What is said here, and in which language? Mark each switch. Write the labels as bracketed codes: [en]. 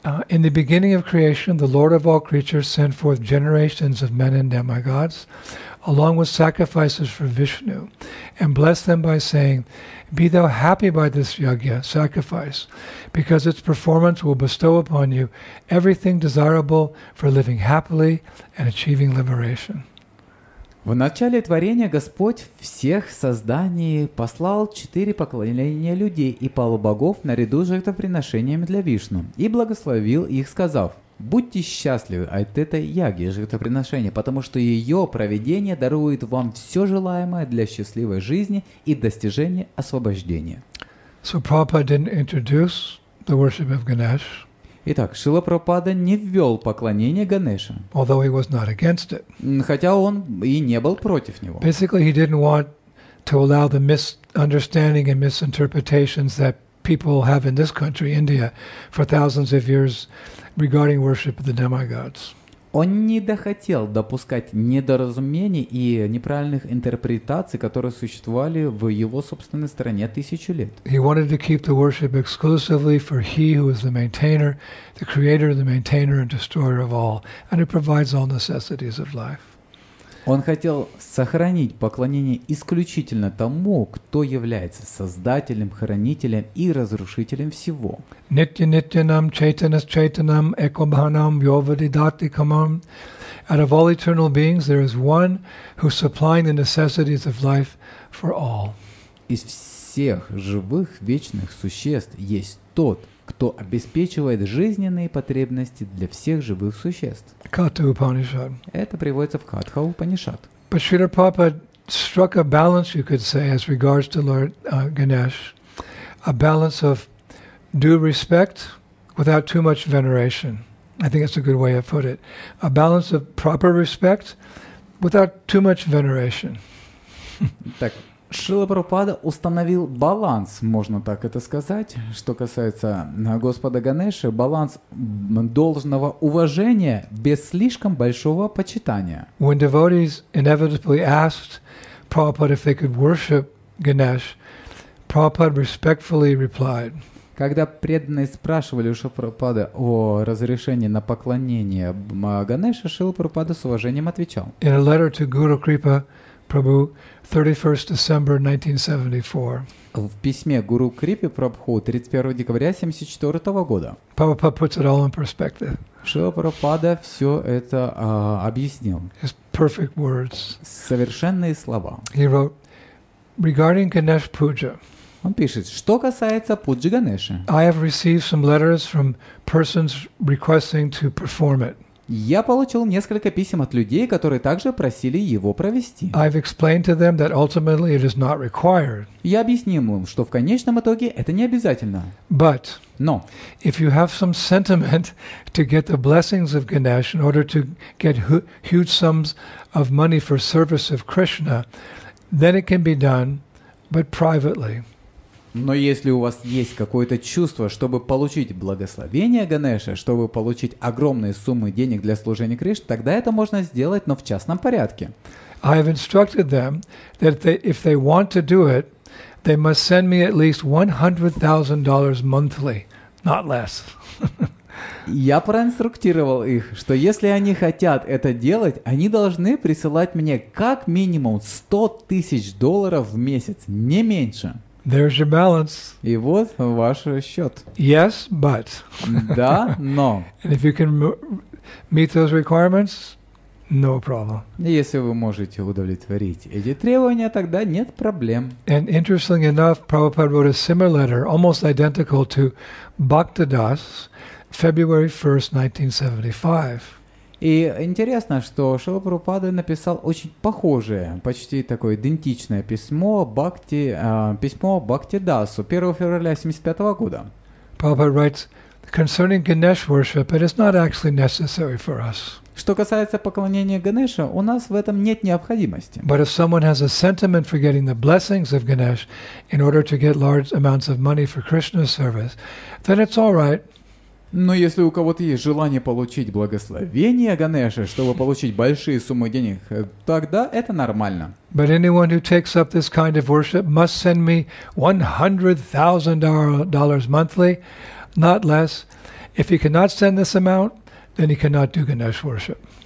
[en] In the beginning of creation, the Lord of all creatures sent forth generations of men and demigods, along with sacrifices for Vishnu, and blessed them by saying, be thou happy by this yajna, sacrifice, because its performance will bestow upon you everything desirable for living happily and achieving liberation. [ru] В начале творения Господь всех созданий послал четыре поклонения людей и пало богов наряду с жертвоприношениями для Вишну и благословил их, сказав, будьте счастливы от этой яги жертвоприношения, потому что ее проведение дарует вам все желаемое для счастливой жизни и достижения освобождения. [en] So Prabhupada didn't introduce the worship of Ganesh. [ru] Итак, Шрила Прабхупада не ввел поклонение Ганеше, [en] although he was not against it. [ru] Хотя он и не был против него. [en] Basically, he didn't want to allow the misunderstanding and misinterpretations that people have in this country, India, for thousands of years regarding worship of the demigods. [ru] Он не хотел допускать недоразумений и неправильных интерпретаций, которые существовали в его собственной стране тысячу лет. [en] He wanted to keep the worship exclusively for He who is the maintainer, the creator, the maintainer and destroyer of all, and who provides all necessities of life. [ru] Он хотел сохранить поклонение исключительно тому, кто является создателем, хранителем и разрушителем всего. [sa] Нитья нитьянам чайтанас чайтанам экобханам йовадидати камам. [en] Out of all eternal beings, there is one who is supplying the necessities of life for all. [ru] Из всех живых вечных существ есть тот, кто обеспечивает жизненные потребности для всех живых существ. Катха-упанишад. Это приводится в Катха-упанишад. [en] But Śrīla Prabhupāda struck a balance, you could say, as regards to Lord Ganesh, a balance of due respect without too much veneration. I think that's a good way to put it. A balance of proper respect without too much veneration. [ru] Так. Шрила Прабхупада установил баланс, можно так это сказать, что касается Господа Ганеши, баланс должного уважения без слишком большого почитания. [en] When devotees inevitably asked Prabhupada if they could worship Ganesh, Prabhupada respectfully replied. [ru] Когда преданные спрашивали у Шрилы Прабхупады о разрешении на поклонение Ганеше, Шрила Прабхупада с уважением отвечал. [en] In a letter to Guru Kripa Prabhu, 31 December 1974. [ru] В письме Гуру Крипи Прабху 31 декабря 1974 года. [en] Prabhupada puts it all in perspective. [ru] Шрила Прабхупада все это объяснил. [en] His perfect words. [ru] Совершенные слова. [en] He wrote, regarding Ganesh Puja. [ru] Он пишет, что касается пуджи Ганеши. [en] I have received some letters from persons requesting to perform it. [ru] Я получил несколько писем от людей, которые также просили его провести. [en] I've explained to them that ultimately it is not required. [ru] Я объяснил им, что в конечном итоге это не обязательно. [en] But, [ru] но, [en] if you have some sentiment to get the blessings of Ganesh in order to get huge sums of money for service of Krishna, then it can be done, but privately. [ru] Но если у вас есть какое-то чувство, чтобы получить благословение Ганеша, чтобы получить огромные суммы денег для служения Кришне, тогда это можно сделать, но в частном порядке. [en] I have instructed them that if they want to do it, they must send me at least $100,000 monthly, not less. [ru] Я проинструктировал их, что если они хотят это делать, они должны присылать мне как минимум $100,000 в месяц, не меньше. [en] There's your balance. [ru] И вот ваш счет. [en] Yes, but. [ru] Да, но. [en] And if you can meet those requirements, no problem. [ru] Если вы можете удовлетворить эти требования, тогда нет проблем. [en] And interestingly enough, Prabhupada wrote a similar letter, almost identical to Bhaktadas, February 1st, 1975. [ru] И интересно, что Шрила Прабхупада написал очень похожее, почти такое идентичное письмо Бхакти Дасу 1 февраля 1975 года. [en] Prabhupada writes, concerning Ganesh worship, it is not actually necessary for us. [ru] Что касается поклонения Ганеше, у нас в этом нет необходимости. [en] But if someone has a sentiment for getting the blessings of Ganesh in order to get large amounts of money for Krishna's service, then it's all right. [ru] Но если у кого-то есть желание получить благословение Ганеши, чтобы получить большие суммы денег, тогда это нормально. [en] But anyone who takes up this kind of worship must send me $100,000 monthly, not less. If he cannot send this amount, then he cannot do Ganesh worship.